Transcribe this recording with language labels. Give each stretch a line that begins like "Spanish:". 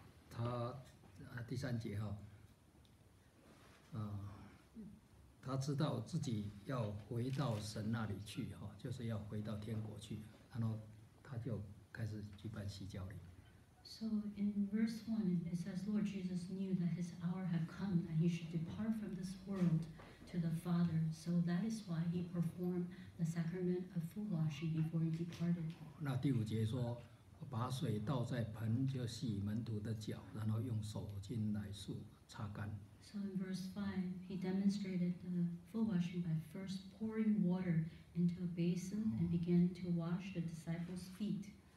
Chinese: 他第三节，他知道自己要回到神那里去，就是要回到天国去，然后他就开始举办洗脚礼。
English: So in verse 1, it says Lord Jesus knew that his hour had come, that he should depart from this world to the Father. So that is why he performed the sacrament of foot washing before he departed.
Chinese: 那第五节说， 把水倒在盆，就洗门徒的脚，然后用手巾来擦干。
English: So in verse 5, he demonstrated the foot washing by first pouring water into a basin and began to wash the disciples' feet.